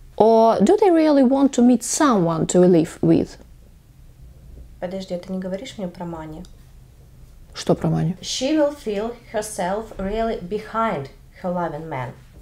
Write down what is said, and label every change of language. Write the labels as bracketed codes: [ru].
[en] Or do they really want to meet someone to live with? [ru] Подожди, ты не говоришь мне про Мани? Что про Мани? [en] She will feel herself really behind her loving man.